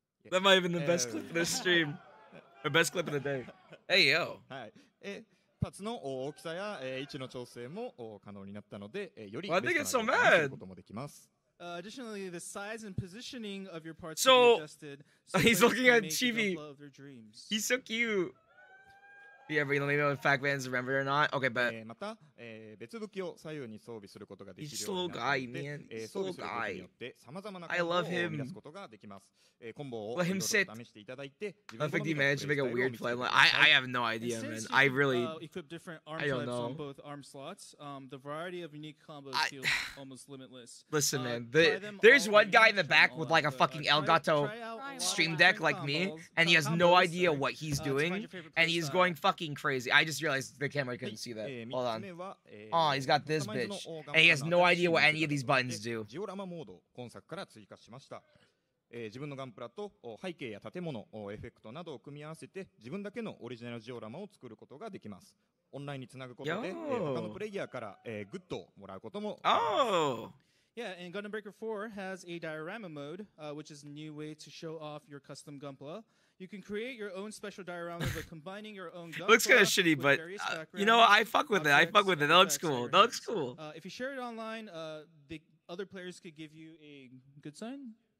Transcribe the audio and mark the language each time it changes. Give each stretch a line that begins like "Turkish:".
English: That might have been the best clip of this stream. Or best clip of the day. Hey, yo.
Japanese: パーツの大きさや位置の調整も可能になったので、よりベストなことができることもできます。
English: Additionally, the size and positioning of your parts can be adjusted. So, he's looking at Chibi. He's so cute. Yeah, but you don't know if Fact Man's remembered or not. Okay, but...
Japanese: また、別武器を左右に装備することができるようになるので、装備することによって様々なコンボを生み出すことができます。コンボを試していただいて、自分の好みのプレイスタイルを見せる。
English: I have no idea, man. I really... I don't know. On both arm slots, the variety of unique combos feels almost limitless. Listen, man. There's one guy in the back with like a fucking Elgato stream deck like me, and he has no idea what he's doing, and he's going fucking crazy. I just realized the camera couldn't see that. Hold on. Oh, he's got this bitch. And he has no idea what any of these buttons do.
Japanese: ジオラマモードを今作から追加しました。自分のガンプラと背景や建物、エフェクトなどを組み合わせて自分だけのオリジナルジオラマを作ることができます。オンラインにつなぐことで他のプレイヤーからグッドをもらうことも。
English: Yeah, and Gundam Breaker 4 has a diorama mode, which is a new way to show off your custom Gunpla. You can create your own special diorama by combining your own Gunpla. Looks kind of shitty, but you know what? I fuck with it. That looks cool. That looks cool. If you share it online, the other players could give you a good sign.